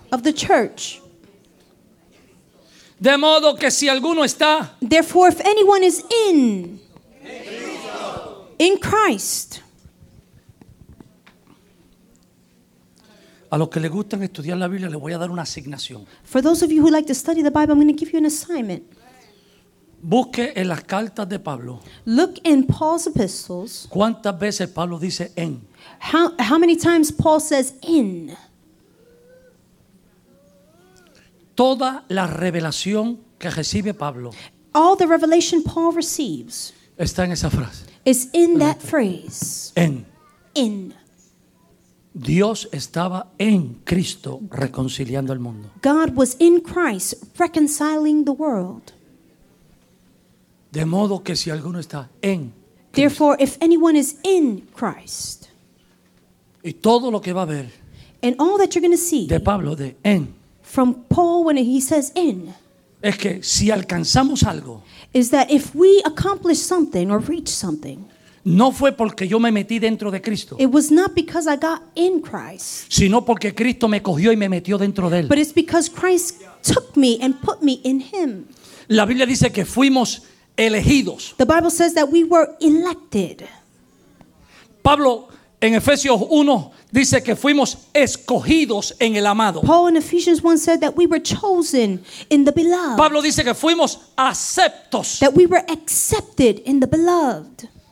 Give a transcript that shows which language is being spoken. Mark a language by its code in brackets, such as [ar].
[en] of the church, [es] de modo que si alguno está, [en] therefore if anyone is in Christ, [es] a los que les gustan estudiar la Biblia les voy a dar una asignación. [en] For those of you who like to study the Bible, I'm going to give you an assignment. [es] Busque en las cartas de Pablo. [en] Look in Paul's epistles. [es] ¿Cuántas veces Pablo dice en? [en] How many times Paul says in? [es] Toda la revelación que recibe Pablo. [en] All the revelation Paul receives. [es] Está en esa frase. [en] It's in that phrase. [es] En. [en] In. [es] Dios estaba en Cristo reconciliando el mundo. [en] God was in Christ reconciling the world. [es] De modo que si alguno está en Cristo. [en] Therefore, if anyone is in Christ. [es] Y todo lo que va a ver. [en] And all that you're going to see. [es] De Pablo, de en. [en] From Paul when he says in. [es] Es que si alcanzamos algo. [en] Is that if we accomplish something or reach something. [es] No fue porque yo me metí dentro de Cristo. [en] It was not because I got in Christ. [es] Sino porque Cristo me cogió y me metió dentro de él. [en] But it's because Christ took me and put me in him. [es] La Biblia dice que fuimos elegidos. [en] The Bible says that we were elected. [es] Pablo en Efesios 1 dice que fuimos escogidos en el amado. [en] Paul in Ephesians 1 said that we were chosen in the beloved. [es] Pablo dice que fuimos aceptos. [en] That we were accepted in the beloved.